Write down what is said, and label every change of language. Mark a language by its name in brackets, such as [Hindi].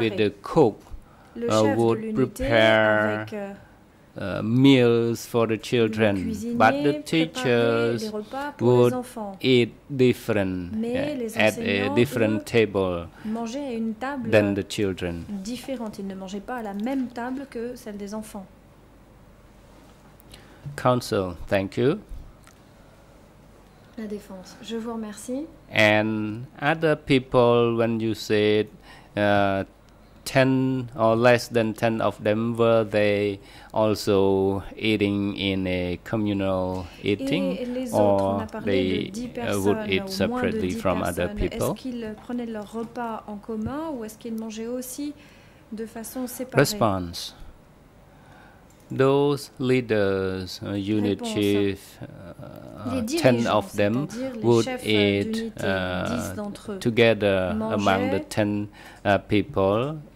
[English] With the cook, would prepare meals for the children, but the teachers would eat different at a different table than the children. [French] Différentes. Ils ne mangeaient pas à la même table que celle des enfants. [English] Counsel, thank you. [French] La défense. Je vous remercie. [English] And other people, when you said 10 or less than 10 of them, were they also eating in a communal eating, or they would eat separately from other people? [French] Est-ce qu'ils prenaient leur repas en commun, ou est-ce qu'ils mangeaient aussi de façon séparée? [English] Response. Those leaders, unit chief, 10 of them would eat together among the 10 people.